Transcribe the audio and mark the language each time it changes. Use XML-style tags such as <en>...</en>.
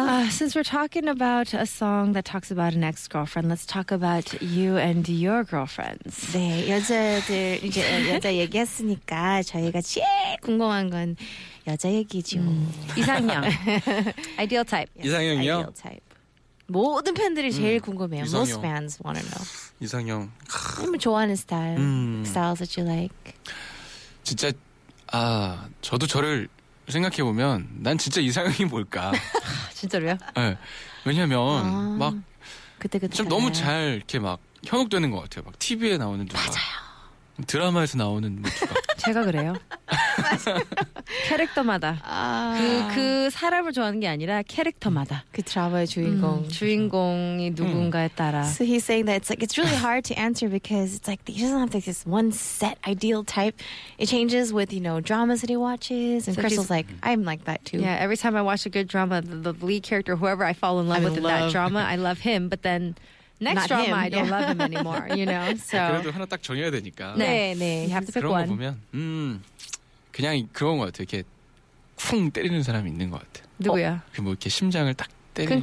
<en>Since we're talking about a song that talks about an ex-girlfriend, let's talk about you and your girlfriends.</en> <ko>네, 여자들 이제 여자 얘기했으니까 저희가 제일 궁금한 건 여자 얘기죠. 이상형.</ko> <en>Ideal type.</en> <ko>Yes. 이상형이요?</ko> <en>Ideal type.</en> <ko>모든 팬들이 제일 궁금해요. 이상형.</ko> <en>Most fans want to know.</en> <ko>이상형. 너무 좋아하는 스타일.</ko> <en>Styles that you like.</en> <ko>진짜 저도 저를 생각해보면 난 진짜 이상형이 뭘까? 진짜로요? 네. 왜냐면 막 그때 좀 너무 잘 이렇게 막 현혹되는 것 같아요. 막 TV에 나오는 누가. 맞아요. 드라마에서 나오는 누가. 제가 그래요. 캐릭터마다. 그 사람을 좋아하는 게 아니라 캐릭터마다. 그 드라마의 주인공. 주인공이 누군가에 따라.</ko> <en>So he's saying that it's like it's really hard to answer because it's like he doesn't have like this one set ideal type. It changes with, you know, dramas that he watches. And so Crystal's like, I'm like that too. Yeah, every time I watch a good drama, the lead character, whoever I fall in love with in that drama, I love him. But then next Not drama, him. I don't love him anymore, you know? So.</en> <ko>그래도 하나 딱 정해야 되니까. 네, 네.</ko> <en>You have to pick</en> <ko>그런</ko> <en>one.</en> <ko>그런 거 보면, 그냥 그런 것 같아요. 이렇게 쿵 때리는 사람이 있는 것 같아요. 누구야? 어? 그 뭐 이렇게 심장을 딱 때리는</ko>